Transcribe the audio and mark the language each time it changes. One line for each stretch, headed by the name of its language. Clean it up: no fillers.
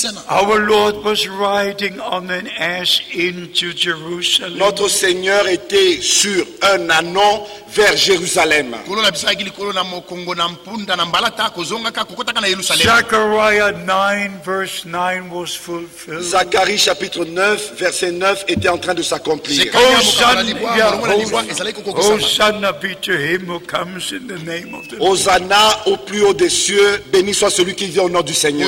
English: Our Lord was riding on an ass into Jerusalem.
French: Notre Seigneur était sur un ânon vers Jérusalem.
English: Zechariah 9 verse 9 was fulfilled.
French: Zacharie chapitre 9 verset 9 était en train de s'accomplir.
English: Hosanna be to him who comes in the name of the Lord.
French: Hosanna au plus haut des cieux, béni soit celui qui vient au nom du Seigneur.